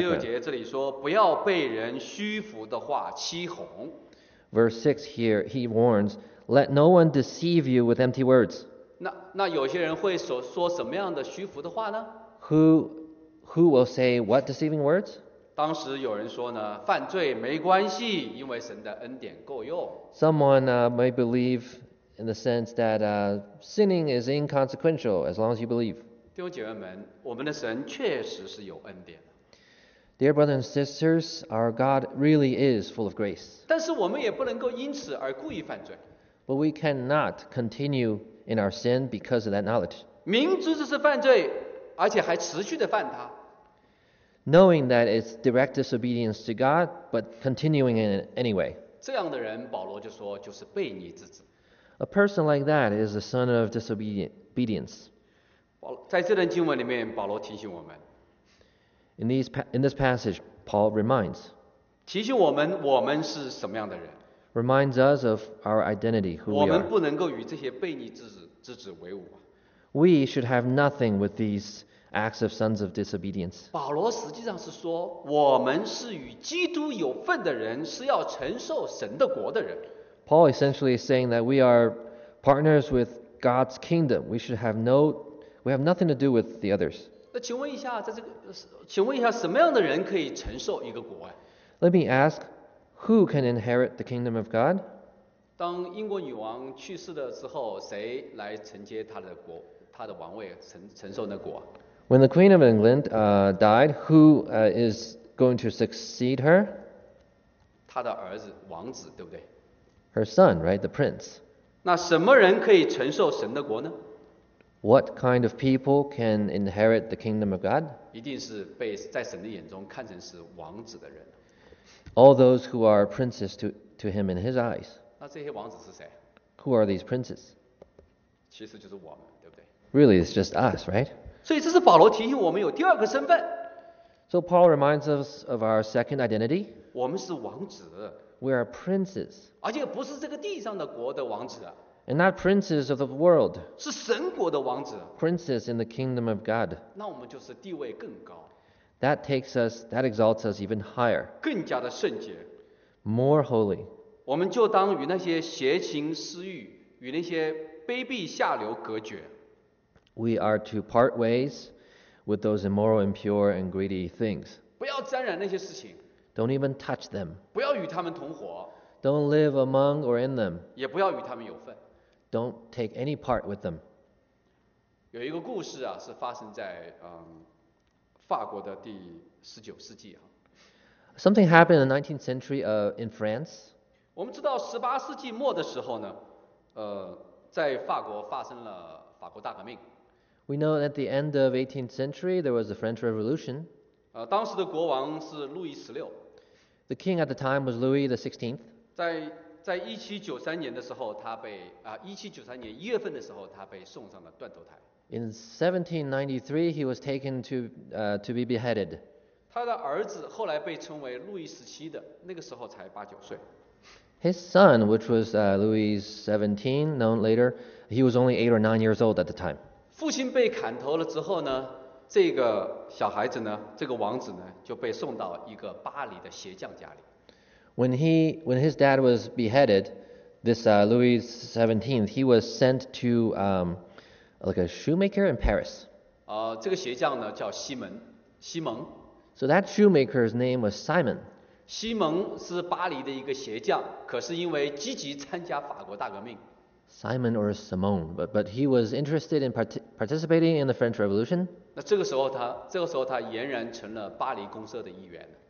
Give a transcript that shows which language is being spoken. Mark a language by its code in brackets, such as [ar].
[zh] 第六节这里说，不要被人虚浮的话欺哄。 [en] Verse 6 here, he warns,Let no one deceive you with empty words. [zh] 那有些人会说什么样的虚浮的话呢？ [en] Who will say what deceiving words? [zh] 当时有人说呢，犯罪没关系，因为神的恩典够用。 [en] Someone may believe in the sense that sinning is inconsequential as long as you believe. [zh] 弟兄姐妹们，我们的神确实是有恩典。 [en] Dear brothers and sisters, our God really is full of grace. [zh] 但是我们也不能够因此而故意犯罪。 [en] But we cannot continue in our sin because of that knowledge. [zh] 明知这是犯罪，而且还持续地犯它。 [en] Knowing that it's direct disobedience to God, but continuing in it anyway. [zh] 这样的人，保罗就说，就是悖逆之子。 [en] A person like that is a son of disobedience. [zh] 在这段经文里面，保罗提醒我们。 [en] In this passage, Paul reminds. [zh] 提醒我们，我们是什么样的人。 [en] Reminds us of our identity, who we are. [zh] 我们不能够与这些悖逆之子为伍。 [en] We should have nothing with these acts of sons of disobedience. [zh] 保罗实际上是说，我们是与基督有份的人，是要承受神的国的人。 [en] Paul essentially is saying that we are partners with God's kingdom. We have nothing to do with the others. [zh] 那请问一下，在这个，请问一下，什么样的人可以承受一个国啊？ [en] Let me ask. Who can inherit the kingdom of God? [zh] 当英国女王去世的时候，谁来承接她的国，她的王位，承受那国？ [en] When the Queen of England died, who is going to succeed her? [zh] 她的儿子，王子，对不对？ [en] Her son, right, the prince. [zh] 那什么人可以承受神的国呢？ [en] What kind of people can inherit the kingdom of God? [zh] 一定是被在神的眼中看成是王子的人。 [en] All those who are princes to him in his eyes. [zh] 那这些王子是谁？ [en] Who are these princes? [zh] 其实就是我们，对不对？ [en] Really, it's just us, right? [zh] 所以这是保罗提醒我们有第二个身份。 [en] So Paul reminds us of our second identity. [zh] 我们是王子。 [en] We are princes. [zh] 而且不是这个地上的国的王子。 [en] And not princes of the world. [zh] 是神国的王子。 [en] Princes in the kingdom of God. [zh] 那我们就是地位更高。 [en] That takes us, that exalts us even higher. [zh] 更加的圣洁。 [en] More holy. [zh] 我们就当与那些邪情私欲，与那些卑鄙下流隔绝。 [en] We are to part ways with those immoral, impure, and greedy things. [zh] 不要沾染那些事情。 [en] Don't even touch them. [zh] 不要与他们同伙。 [en] Don't live among or in them. [zh] 也不要与他们有份。 [en] Don't take any part with them. [zh] 有一个故事啊，是发生在法国的第十九世纪啊。 [en] Something happened in the 19th century in France. [zh] 我们知道十八世纪末的时候呢，在法国发生了法国大革命。 [en] We know at the end of 18th century there was the French Revolution. [zh] 当时的国王是路易十六。 [en] The king at the time was Louis the 16th. [zh] 在1793年的时候，他被1793年一月份的时候，他被送上了断头台。 [en] In 1793, he was taken to be beheaded. [zh] 他的儿子后来被称为路易十七的，那个时候才八九岁。 [en] His son, which was Louis XVII, known later, he was only 8 or 9 years old at the time. [zh] 父亲被砍头了之后呢，这个小孩子呢，这个王子呢，就被送到一个巴黎的鞋匠家里。 [en] When his dad was beheaded, this Louis XVII, he was sent to like a shoemaker in Paris. [zh] 这个鞋匠呢叫西蒙。 [en] So that shoemaker's name was Simon. [zh] 西蒙是巴黎的一个鞋匠，可是因为积极参加法国大革命。 [en] Simon or Simone, but he was interested in participating in the French Revolution. [zh] 那这个时候他俨然成了巴黎公社的一员。